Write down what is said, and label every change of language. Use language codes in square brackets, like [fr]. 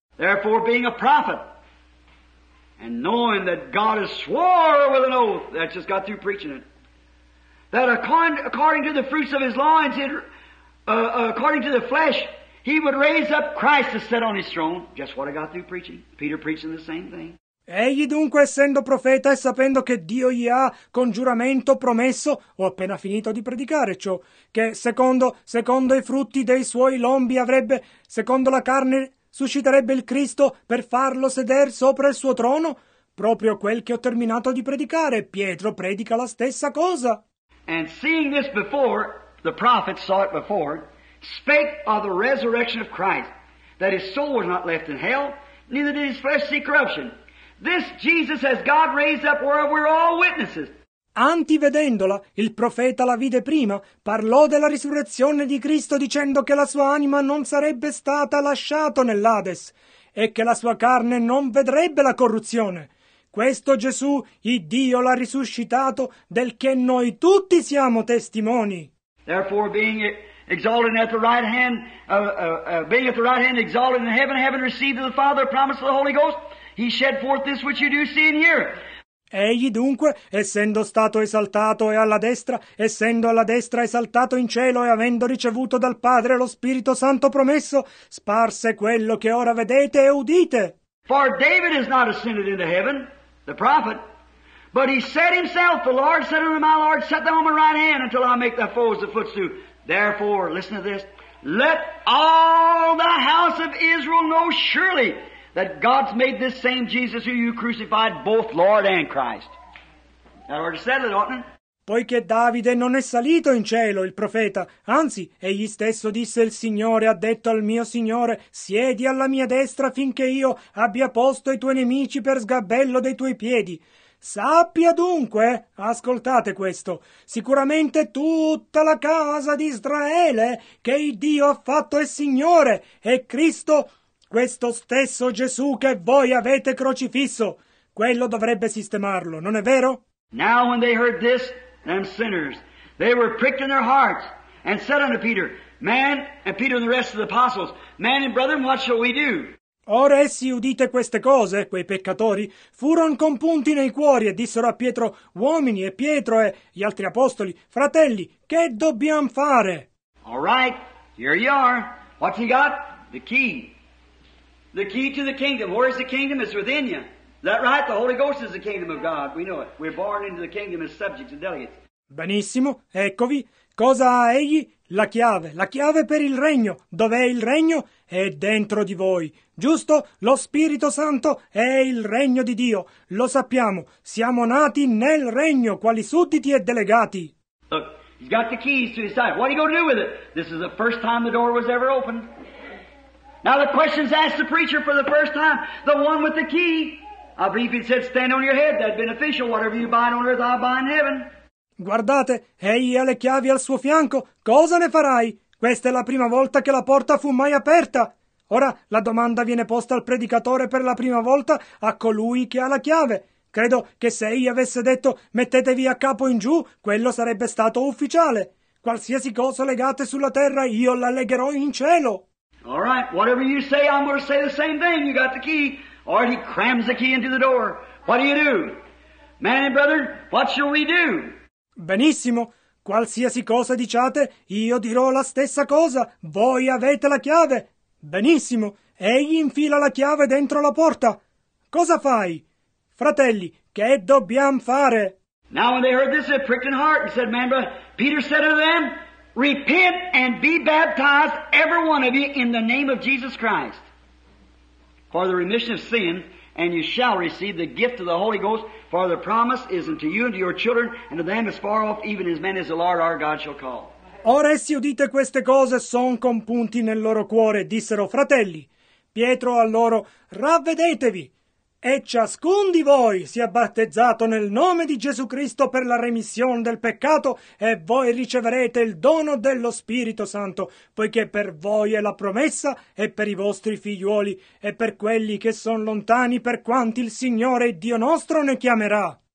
[en] Therefore, being a prophet, And knowing that God has swore with an oath, that just got through preaching it, that according to the fruits of his loins, according to the flesh, he would raise up Christ to sit on his throne. Just what I got through preaching. Peter preaching the same thing. [it] Egli dunque, essendo profeta e sapendo che Dio gli ha con giuramento promesso, ho appena finito di predicare ciò, che secondo i frutti dei suoi lombi avrebbe, secondo la carne, susciterebbe il Cristo per farlo sedere sopra il suo trono, proprio quel che ho terminato di predicare, Pietro predica la stessa cosa. [en] And seeing this before, the prophet saw it before, spake of the resurrection of Christ, that his soul was not left in hell, neither did his flesh see corruption. This Jesus has God raised up, whereof we're all witnesses. [it] Antivedendola, il profeta la vide prima, parlò della risurrezione di Cristo dicendo che la sua anima non sarebbe stata lasciata nell'Ades e che la sua carne non vedrebbe la corruzione. Questo Gesù, Dio l'ha risuscitato, del che noi tutti siamo testimoni. [en] Therefore, being exalted at the right hand, being at the right hand exalted in heaven, having received of the Father the promise of the Holy Ghost, he shed forth this which you do see and hear. [it] Egli dunque, essendo stato esaltato e alla destra, essendo alla destra esaltato in cielo e avendo ricevuto dal Padre lo Spirito Santo promesso, sparse quello che ora vedete e udite. [en] For David is not ascended into heaven, the prophet, but he said himself, the Lord said unto my Lord, set thou on my right hand until I make thy foes a footstool. Therefore, listen to this, let all the house of Israel know surely that God's made this same Jesus who you crucified both Lord and Christ. That already said it, oughtn't it? [it] Poiché Davide non è salito in cielo, il profeta, anzi, egli stesso disse il Signore, ha detto al mio Signore, siedi alla mia destra finché io abbia posto i tuoi nemici per sgabello dei tuoi piedi. Sappia dunque, ascoltate questo, sicuramente tutta la casa di Israele che il Dio ha fatto è Signore, e Cristo, questo stesso Gesù che voi avete crocifisso, quello dovrebbe sistemarlo, non è vero? [en] Now when they heard this, them sinners, they were pricked in their hearts, and said unto Peter, man, and Peter and the rest of the apostles, man and brethren, what shall we do? [it] Ora essi udite queste cose, quei peccatori, furono compunti nei cuori e dissero a Pietro, uomini, e Pietro e gli altri apostoli, fratelli, che dobbiamo fare? [en] All right, here you are. What you got? The key. The key to the kingdom. Where is the kingdom? It's within you. Is that right? The Holy Ghost is the kingdom of God. We know it. We're born into the kingdom as subjects and delegates. [it] Benissimo. Eccovi. Cosa ha egli? La chiave. La chiave per il regno. Dov'è il regno? È dentro di voi. Giusto? Lo Spirito Santo è il regno di Dio. Lo sappiamo. Siamo nati nel regno, quali sudditi e delegati. [en] Look, he's got the keys to his side. What are you going to do with it? This is the first time the door was ever opened. Now the question's asked the preacher for the first time, the one with the key. I believe he'd said, stand on your head, that'd been official, whatever you bind on earth, I'll bind in heaven. [it] Guardate, egli ha le chiavi al suo fianco, cosa ne farai? Questa è la prima volta che la porta fu mai aperta. Ora la domanda viene posta al predicatore per la prima volta a colui che ha la chiave. Credo che se egli avesse detto, mettetevi a capo in giù, quello sarebbe stato ufficiale. Qualsiasi cosa legate sulla terra, io la legherò in cielo. [en] All right, whatever you say, I'm going to say the same thing. You got the key. Or he crams the key into the door. What do you do? Man and brother, what shall we do? [it] Benissimo. Qualsiasi cosa diciate, io dirò la stessa cosa. Voi avete la chiave. Benissimo. Egli infila la chiave dentro la porta. Cosa fai? Fratelli, che dobbiamo fare? [en] Now when they heard this, they pricked in heart and said, man, brother, Peter said unto them, repent and be baptized, every one of you, in the name of Jesus Christ, for the remission of sin, and you shall receive the gift of the Holy Ghost, for the promise is unto you and to your children, and to them as far off, even as many as the Lord our God shall call. [it] Ora essi udite queste cose, son compunti nel loro cuore, dissero, fratelli, Pietro a loro, ravvedetevi, e ciascun di voi sia battezzato nel nome di Gesù Cristo per la remissione del peccato, e voi riceverete il dono dello Spirito Santo, poiché per voi è la promessa, e per i vostri figliuoli, e per quelli che sono lontani, per quanti il Signore Dio nostro ne chiamerà.